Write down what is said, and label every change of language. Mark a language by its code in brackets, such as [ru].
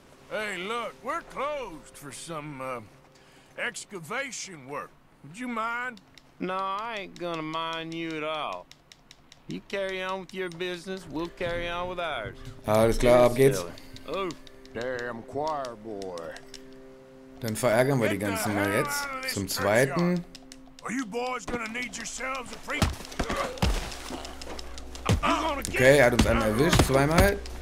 [en] Hey, look, we're closed for some excavation work. Would you mind? No, I ain't gonna mind you at all. You carry on with your business, we'll carry on with ours. [de] Alles klar, ab geht's. Oh, [en] damn choir boy. [de] Dann verärgern wir die ganzen mal jetzt. Zum zweiten. [en] Are you boys gonna need yourselves a free? [de] Okay, er hat uns einmal erwischt, zweimal.